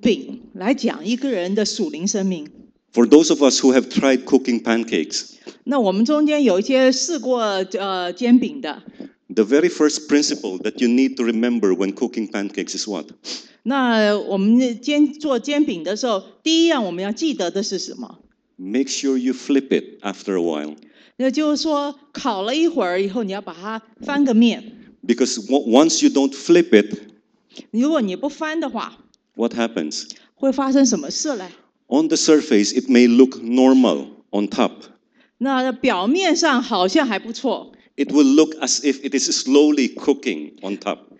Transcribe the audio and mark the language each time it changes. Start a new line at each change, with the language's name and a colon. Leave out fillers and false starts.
Chinese: 圣经里面用饼来讲一个人的属灵生命。
English: For those of us who have tried cooking pancakes,
Chinese: 那我们中间有一些试过煎饼的。
English: The very first principle that you need to remember when cooking pancakes is what?
Chinese: 那我们煎做煎饼的时候，第一样我们要记得的是什么？
English: Make sure you flip it after a while.
Chinese: 那就是说，烤了一会儿以后，你要把它翻个面。
English: Because once you don't flip it,
Chinese: 如果你不翻的话，
English: what happens?
Chinese: 会发生什么事嘞？
English: On the surface, it may look normal on top.
Chinese: 那表面上好像还不错。
English: It will look as if it is slowly cooking on top.